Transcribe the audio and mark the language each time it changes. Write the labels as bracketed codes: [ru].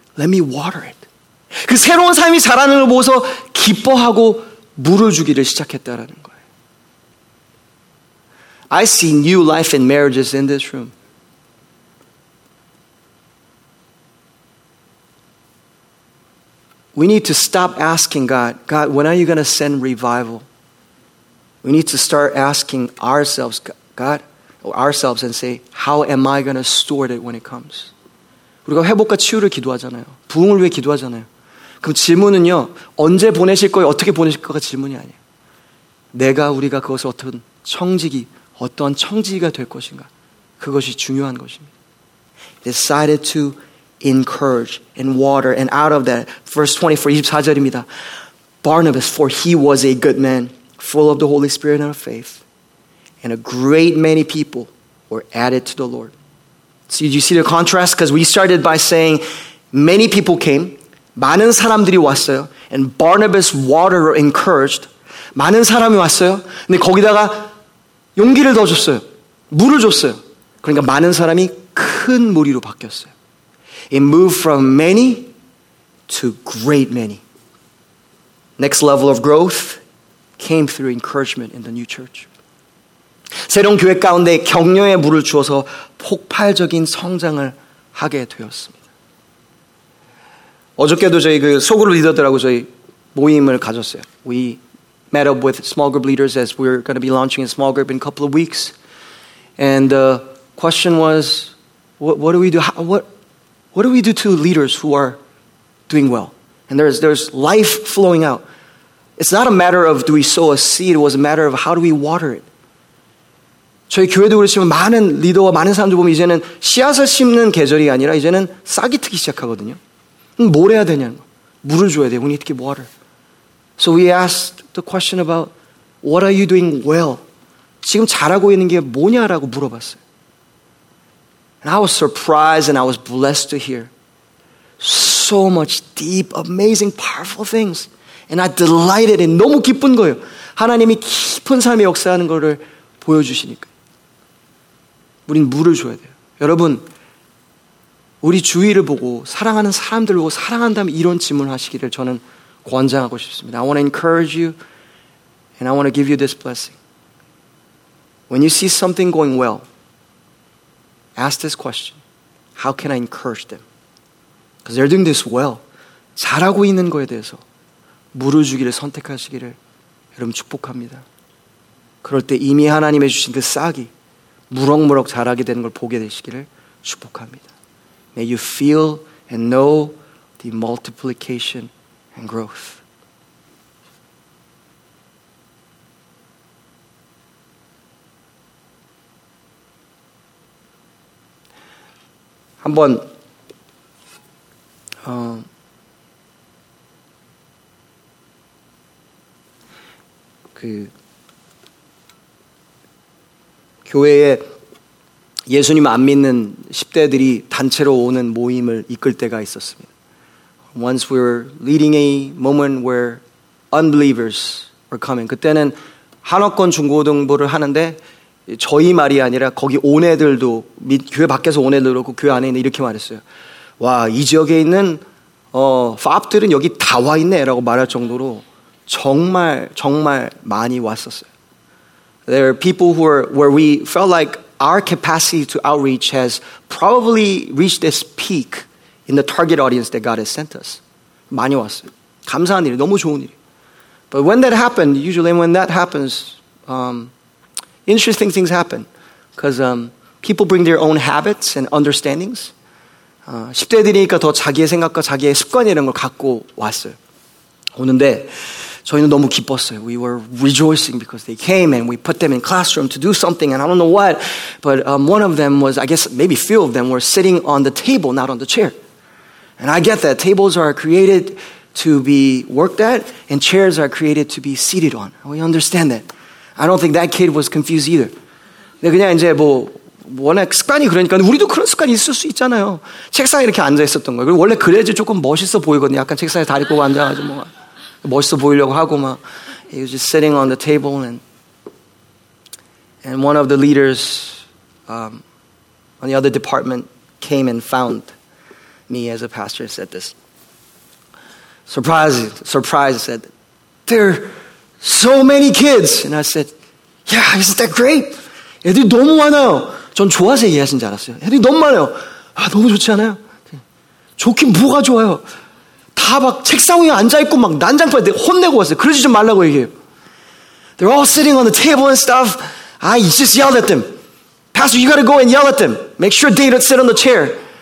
[en] Let me water it. [ko] 그 새로운 삶이 자라는 걸 보고서 기뻐하고 물을 주기를 시작했다라는 거예요. [en] I see new life in marriages in this room. We need to stop asking God, God, when are you going to send revival? We need to start asking ourselves, God, or ourselves and say, how am I going to steward it when it comes? [ko] 우리가 회복과 치유를 기도하잖아요. 부흥을 위해 기도하잖아요. 그럼 질문은요, 언제 보내실 거예요? 어떻게 보내실 거가 질문이 아니에요. 내가 우리가 그것을 어떤 청지기, 어떤 청지기가 될 것인가 그것이 중요한 것입니다. [en] Decided to encourage and water and out of that verse 24, [ko] 24절입니다. [en] Barnabas, for he was a good man full of the Holy Spirit and of faith and a great many people were added to the Lord. So did you see the contrast? Because we started by saying many people came [ko] 많은 사람들이 왔어요 [en] and Barnabas watered or encouraged [ko] 많은 사람이 왔어요 근데 거기다가 용기를 더 줬어요. 물을 줬어요. 그러니까 많은 사람이 큰 무리로 바뀌었어요. [en] It moved from many to great many. Next level of growth came through encouragement in the new church. [ko] 새로운 교회 가운데 격려의 물을 주어서 폭발적인 성장을 하게 되었습니다. 어저께도 저희 그 소그룹 리더들하고 저희 모임을 가졌어요. [en] We met up with small group leaders as we're going to be launching a small group in a couple of weeks. And the question was, what do we do to leaders who are doing well? And there's life flowing out. It's not a matter of do we sow a seed, it was a matter of how do we water it. [ko] 저희 교회도 그렇지만 많은 리더와 많은 사람들 보면 이제는 씨앗을 심는 계절이 아니라 이제는 싹이 트기 시작하거든요. 그럼 뭘 해야 되냐는 거. 물을 줘야 돼요. [en] We need to give water. So we asked the question about what are you doing well? [ko] 지금 잘하고 있는 게 뭐냐라고 물어봤어요. [en] And I was surprised and I was blessed to hear so much deep, amazing, powerful things. And I delighted in [ko] 너무 기쁜 거예요. 하나님이 깊은 삶에 역사하는 거를 보여주시니까. 우린 물을 줘야 돼요. 여러분, 우리 주위를 보고 사랑하는 사람들을 보고 사랑한다면 이런 질문을 하시기를 저는 권장하고 싶습니다. [en] I want to encourage you and I want to give you this blessing. When you see something going well, ask this question. How can I encourage them? Because they're doing this well. [ko] 잘하고 있는 거에 대해서 물을 주기를 선택하시기를 여러분 축복합니다. 그럴 때 이미 하나님의 주신 그 싹이 무럭무럭 자라게 되는 걸 보게 되시기를 축복합니다. [en] May you feel and know the multiplication and growth. [ko] 한번 그 교회에 예수님 안 믿는 10대들이 단체로 오는 모임을 이끌 때가 있었습니다. [en] Once we were leading a moment where unbelievers were coming. [ko] 그때는 한옥권 중고등부를 하는데 저희 말이 아니라 거기 온 애들도 교회 밖에서 온 애들도 그렇고 교회 안에 있는 이렇게 말했어요. 와, 이 지역에 있는 팝들은 여기 다 와 있네 라고 말할 정도로 정말 정말 많이 왔었어요. [en] There are people who are where we felt like our capacity to outreach has probably reached this peak in the target audience that God has sent us. [ko] 많이 왔어요. 감사한 일이에요. 너무 좋은 일이에요. [en] But when that happened, usually when that happens, interesting things happen. Because people bring their own habits and understandings. [ko] 10대들이니까 더 자기의 생각과 자기의 습관 이런 걸 갖고 왔어요. 오는데 저희는 너무 기뻤어요. [en] We were rejoicing because they came and we put them in classroom to do something and I don't know what. But one of them was, I guess maybe few of them were sitting on the table, not on the chair. And I get that. Tables are created to be worked at and chairs are created to be seated on. We understand that. I don't think that kid was confused either. [ko] 근데 그냥 이제 뭐 워낙 습관이 그러니까 우리도 그런 습관이 있을 수 있잖아요. 책상에 이렇게 앉아 있었던 거예요. 그리고 원래 그래야지 조금 멋있어 보이거든요. 약간 책상에 다리 꼬고 앉아가지고 뭐 멋있어 보이려고 하고 막 [en] He was just sitting on the table and one of the leaders on the other department came and found me as a pastor and said this. Surprise, said, there are so many kids. And I said, yeah, isn't that great? [ko] 애들이 너무 많아요. 전 좋아서 얘기하신 줄 알았어요. 애들이 너무 많아요. 아, 너무 좋지 않아요? 좋긴 뭐가 좋아요? 다 막 책상 위에 앉아있고 막 난장판에 혼내고 왔어요. 그러지 좀 말라고 얘기해요. [en] They're all sitting on the table and stuff. I just yelled at them. Pastor, you gotta go and yell at them. Make sure they don't sit on the chair.